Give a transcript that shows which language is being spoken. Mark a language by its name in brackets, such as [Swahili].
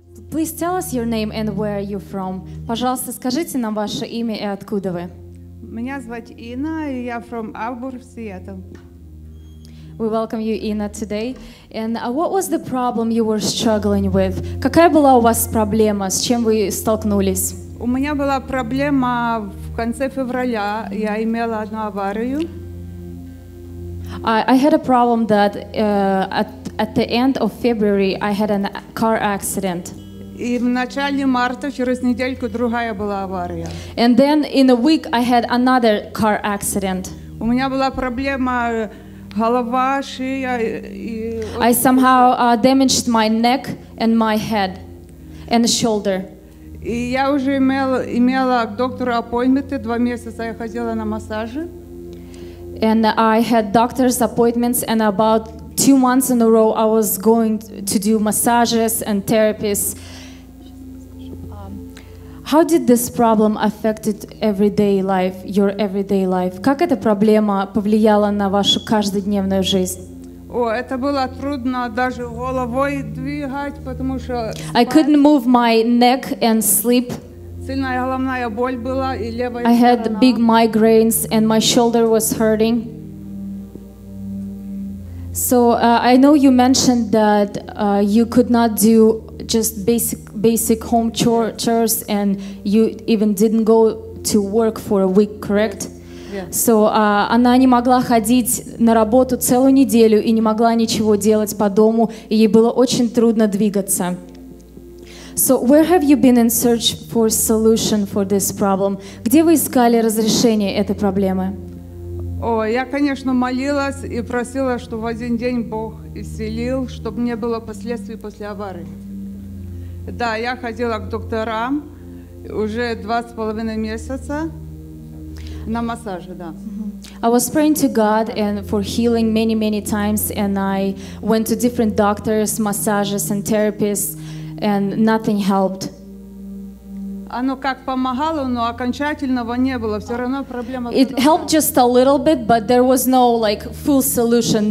[English] Please tell us your name and where you from. [Russian] Пожалуйста, скажите нам ваше имя и откуда вы. Меня зовут Инна, и я [English] from Arbor, Seattle. We welcome you, Inna, today. And what was the problem you were struggling with? [Russian] Какая была у вас проблема, с чем вы столкнулись? У меня была проблема в конце февраля. Я имела одну аварию. [English] I had a problem that at the end of February I had a car accident. [Russian] И в начале марта через недельку другая была авария. [English] And then in a week I had another car accident. [Russian] У меня была проблема голова, шея и. [English] I somehow damaged my neck and my head and the shoulder. [Russian] И я уже имела к доктору аппойнменты, 2 месяца я ходила на массажи. [English] And I had doctor's appointments, and about 2 months in a row, I was going to do massages and therapies. How did this problem affected everyday life, your everyday life? [Russian] Как эта проблема повлияла на вашу каждодневную жизнь? Это было трудно даже головой двигать, потому что. [English] I couldn't move my neck and sleep. [Russian] Сильная головная боль была и левая сторона. [English] I had big migraines and my shoulder was hurting. So I know you mentioned that you could not do just basic home chores and you even didn't go to work for a week, correct? Yes. [Russian] So она не могла ходить на работу целую неделю и не могла ничего делать по дому, и ей было очень трудно двигаться. [English] So where have you been in search for solution for this problem? [Russian] Где вы искали разрешение этой проблемы? Я, конечно, молилась и просила, чтобы в один день Бог исцелил, чтобы не было последствий после аварии. Да, я ходила к докторам уже 2.5 месяца на массаже, да. [English] I was praying to God and for healing many times, and I went to different doctors, massages and therapists. And nothing helped. [Russian] Оно как помогало, но окончательного не было. Все равно проблема. [English] It helped just a little bit, but there was no like full solution.